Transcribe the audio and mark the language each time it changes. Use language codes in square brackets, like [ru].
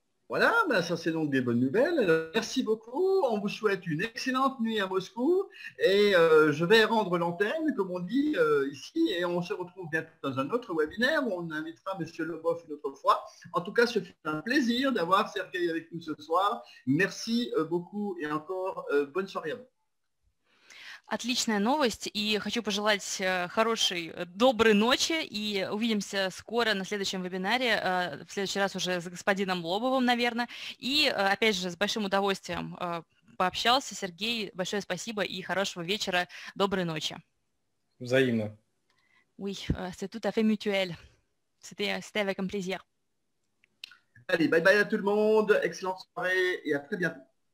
[fr] Voilà, ben ça c'est donc des bonnes nouvelles. Merci beaucoup. On vous souhaite une excellente nuit à Moscou. Et je vais rendre l'antenne, comme on dit ici. Et on se retrouve bientôt dans un autre webinaire où on invitera M. Lobov une autre fois. En tout cas, ce fut un plaisir d'avoir Sergueï avec nous ce soir. Merci beaucoup et encore bonne soirée à vous. [ru] Отличная новость, и хочу пожелать хорошей, доброй ночи, и увидимся скоро на следующем вебинаре, в следующий раз уже с господином Лобовым, наверное, и опять же с большим удовольствием пообщался, Сергей, большое спасибо и хорошего вечера, доброй ночи. Взаимно. [fr] Oui, c'est tout à fait mutuel. C'était avec un plaisir. Allez, bye bye à tout le monde, excellente soirée et à très bientôt.